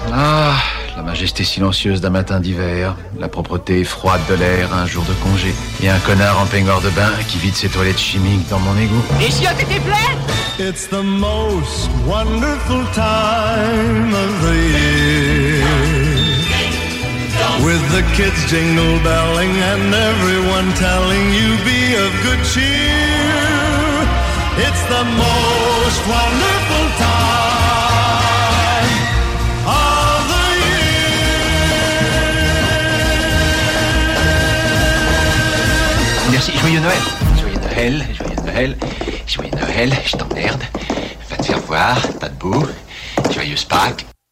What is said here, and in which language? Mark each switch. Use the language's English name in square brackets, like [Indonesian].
[French] Ah, la majesté silencieuse d'un matin d'hiver, la propreté froide de l'air un jour de congé, et un connard en peignoir de bain qui vide ses toilettes chimiques dans mon égout. Les chiottes étaient pleines! [English] It's the most wonderful time of the year. With the kids jingle belling and everyone telling you be of good cheer. It's the most wonderful time of the year. [French] Merci, joyeux Noël. Joyeux Noël, joyeux Noël, joyeux Noël, je t'emmerde. Va te faire voir, pas de boue, joyeuse Pâques.